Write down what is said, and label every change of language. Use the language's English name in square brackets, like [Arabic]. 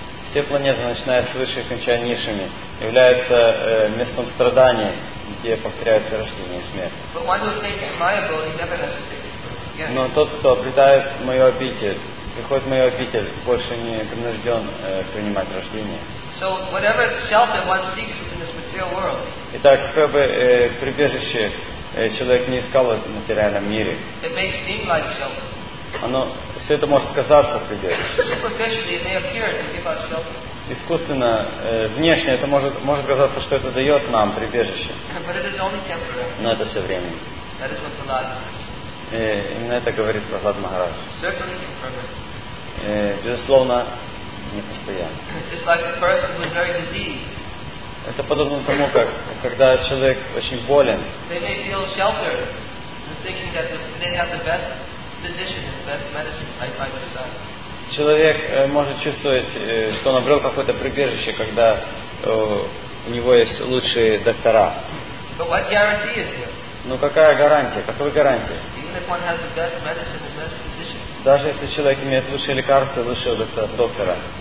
[Russian] Все планеты, начиная с высших и кончая низшими, являются местом страдания, где повторяются рождение и смерть. Но тот, кто обретает мою обитель, приходит в мою обитель, больше не принужден принимать рождение. [English] So whatever shelter one seeks in this material world. [Russian] Итак, какое бы прибежище человек не искал в материальном мире. [English] It may seem like shelter. [Russian] Оно все это может казаться прибежищем. [English] Superficially, it may appear to give us shelter. [Russian] Искусственно, внешне это может казаться, что это дает нам прибежище. [English] But it is only temporary. [Russian] Но это все время. [English] That is what the Lord says. [Russian] Именно это говорит Прохлад Махарадж. [English] Certainly temporary. [Russian] Безусловно. Не постоянно. [English] Just like a person who is very diseased. [Russian] Это подобно тому, как когда человек очень болен. [English] They may feel sheltered, thinking that they have the best physician, the best medicine, like by themselves. [Russian] Человек может чувствовать, что он обрел какое-то прибежище, когда у него есть лучшие доктора. [English] But what guarantee is there? [Russian] Ну какая гарантия? Какой гарантия? [English] Even if one has the best medicine, the best physician. [Russian] Даже если человек имеет лучшие лекарства, лучшего доктора.